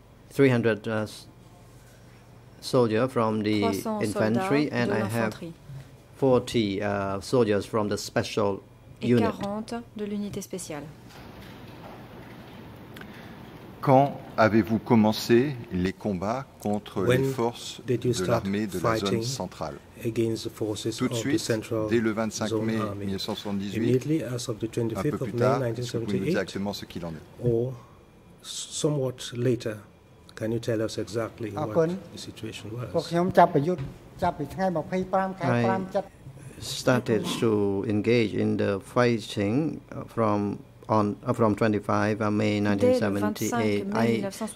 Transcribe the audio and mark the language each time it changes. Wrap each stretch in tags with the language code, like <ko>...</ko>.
<en>300 soldiers from the infantry, and I have 40 soldiers from the special</en> <fr>et 40 de l'unité spéciale. Quand avez-vous commencé les combats contre les forces de l'armée de la zone centrale?</fr> <en>Against the forces</en> <fr>tout de suite,</fr> <en>of the central</en> <fr>dès le 25 mai 1978,</fr> <en>immediately as of the 25th of May 1978,</en> <fr>un peu plus tard, exactement ce qu'il en est.</fr> <en>Or somewhat later. Can you tell us exactly what the situation was? I started to engage in the fighting from 25 May 1978.</en>